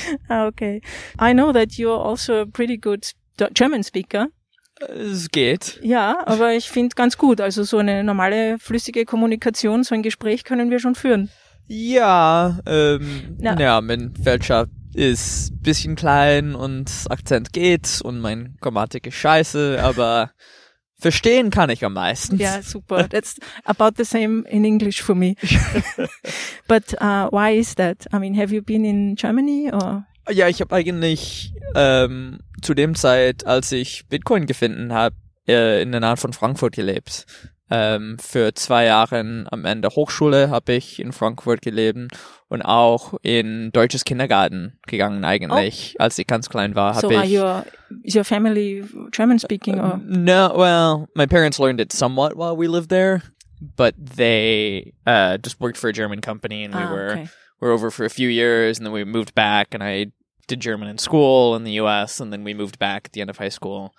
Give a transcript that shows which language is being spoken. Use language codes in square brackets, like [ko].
[en] Okay. I know that you're also a pretty good German speaker. [de] Es geht. Ja, aber ich finde ganz gut. Also so eine normale flüssige Kommunikation, so ein Gespräch können wir schon führen. Ja, mein Fälscher ist ein bisschen klein und Akzent geht und mein Grammatik ist scheiße, aber verstehen kann ich am meisten. Ja, super. [en] That's about the same in English for me. But why is that? I mean, have you been in Germany or? [de] Ja, ich habe eigentlich zu dem Zeit, als ich Bitcoin gefunden habe, in der Nähe von Frankfurt gelebt. Für 2 Jahre am Ende Hochschule habe ich in Frankfurt gelebt und auch in deutsches Kindergarten gegangen eigentlich, als ich ganz klein war. [en] Is your family German speaking? No, well, my parents learned it somewhat while we lived there, but they just worked for a German company and we were over for a few years and then we moved back and I did German in school in the US and then we moved back at the end of high school.